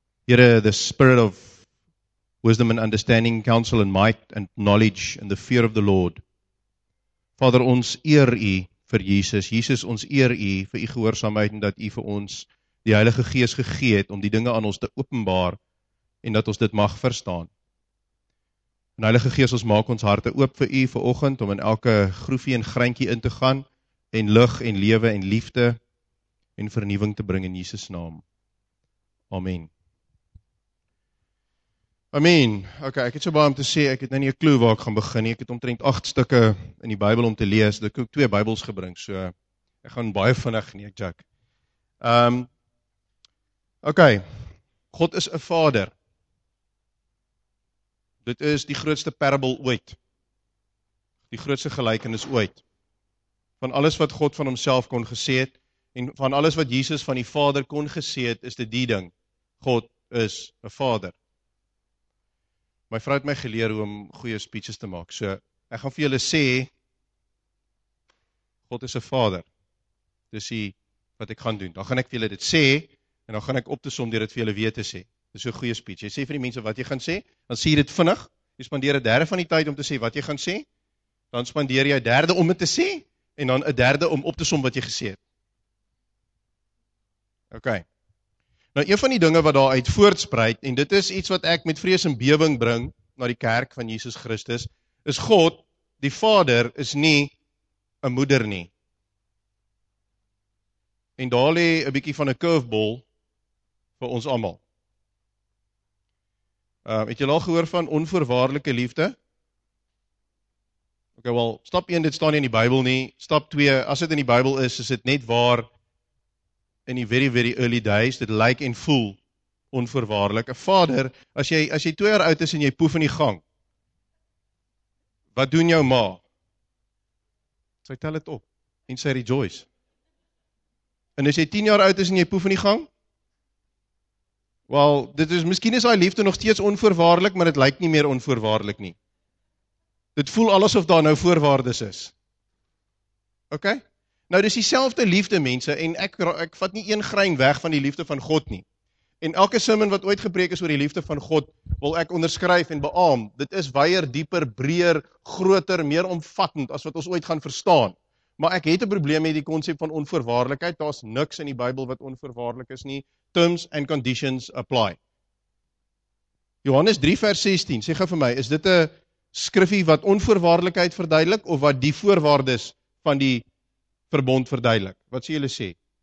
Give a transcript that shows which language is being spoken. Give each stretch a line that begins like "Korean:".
English: Here, the Spirit of wisdom and understanding, counsel and might and knowledge and the fear of the Lord.
Afrikaans: Vader, ons eer U vir Jesus. Jesus, ons eer U vir U gehoorsaamheid en dat U vir ons die Heilige Gees gegee het om die dinge aan ons te openbaar en dat ons dit mag verstaan. En Heilige Gees, ons maak ons harte oop vir U vanoggend om in elke groefie en greintjie in te gaan en lig en lewe en liefde en vernuwing te bring in Jesus naam. Amen. Amen. Ok, ek het so baie om te sê, ek het nou nie 'n klou waar ek gaan begin nie. Ek het omtrent 8 stukke in die Bybel om te lees. Ek het ook 2 Bybels gebring, so ek gaan baie vinnig nie, Jack. Ok, God is 'n Vader. Dit is die grootste parable ooit. Die grootste gelykenis ooit. Van alles wat God van homself kon gesê het, en van alles wat Jesus van die Vader kon gesê het, is dit die ding. God is 'n Vader. My vrou het my geleer hoe om goeie speeches te maak. So, ek gaan vir julle sê, God is 'n Vader. Dis die wat ek gaan doen. Dan gaan ek vir julle dit sê, en dan gaan ek op te som deur dit vir julle weer te sê. Dis so 'n goeie speech. Jy sê vir die mense wat jy gaan sê, dan sê jy dit vinnig. Jy spandeer 'n derde van die tyd om te sê wat jy gaan sê. Dan spandeer jy 'n derde om dit te sê, en dan 'n derde om op te som wat jy gesê het. Ok. Nou, een van die dinge wat daaruit voortspruit, en dit is iets wat ek met vrees en bewing bring na die kerk van Jesus Christus, is God, die Vader, is nie 'n moeder nie. En daar lê 'n bietjie van 'n curveball vir ons almal. Het jy al gehoor van onvoorwaardelike liefde? Ok, wel, stap 1, dit staan nie in die Bybel nie. Stap 2, as dit in die Bybel is, is dit net waar in die
English: very, very early days,
Afrikaans: dit lyk en voel onvoorwaardelik. 'N Vader, as jy 2 jaar oud is en jy poef in die gang, wat doen jou ma? Sy tel dit op en sy rejoice. En as jy 10 jaar oud is en jy poef in die gang, wel, dit is, miskien is daai liefde nog steeds onvoorwaardelik, maar dit lyk nie meer onvoorwaardelik nie. Dit voel alles of daar nou voorwaardes is. Ok? Nou, dis dieselfde liefde, mense, en ek vat nie een grein weg van die liefde van God nie. En elke sermon wat ooit gepreek is oor die liefde van God, wil ek onderskryf en beaam. Dit is wyer, dieper, breër, groter, meer omvattend as wat ons ooit gaan verstaan. Maar ek het 'n probleem met die konsep van onvoorwaardelikheid. Daar's niks in die Bybel wat onvoorwaardelik is nie.
English: Terms and conditions apply.
Afrikaans: Johannes 3 vers 16, sê gou vir my, is dit 'n skriffie wat onvoorwaardelikheid verduidelik of wat die voorwaardes van die verbond verduidelik? Wat sê julle sê?